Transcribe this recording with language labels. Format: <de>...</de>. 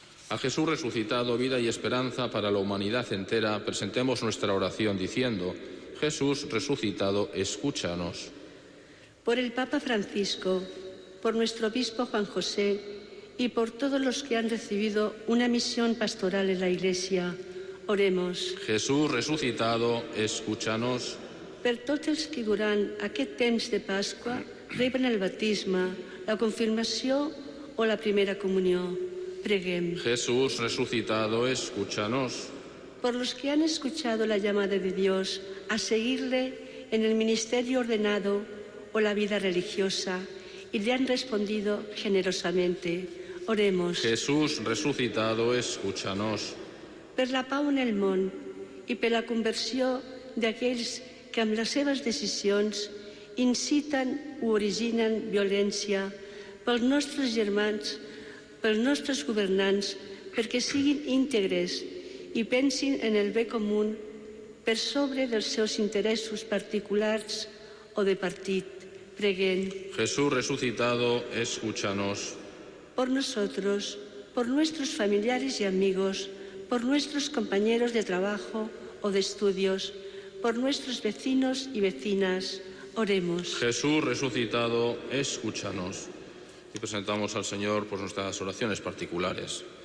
<es>A Jesús resucitado, vida y esperanza para la humanidad entera, presentemos nuestra oración diciendo: Jesús resucitado, escúchanos. Por el Papa Francisco, por nuestro obispo Juan José y por todos los que han recibido una misión pastoral en la Iglesia, oremos. Jesús resucitado, escúchanos.</es> <ca>Per tots els que duran aquest temps de Pasqua, reben el batisme, la confirmació o la primera comunió, preguem.</ca> <es>Jesús resucitado, escúchanos. Por los que han escuchado la llamada de Dios a seguirle en el ministerio ordenado o la vida religiosa y le han respondido generosamente, oremos. Jesús resucitado, escúchanos.</es> <ca>Per la pau en el món i per la conversió d'aquells que amb les seves decisions inciten o originen violència pels nostres germans, pels nostres governants, perquè siguin íntegres i pensin en el bé comú per sobre dels seus interessos particulars o de partit. Preguem.</ca> <es>Jesús resucitado, escúchanos. Por nosotros, por nuestros familiares y amigos, por nuestros compañeros de trabajo o de estudios, por nuestros vecinos y vecinas, oremos. Jesús resucitado, escúchanos. Y presentamos al Señor por nuestras oraciones particulares.</es>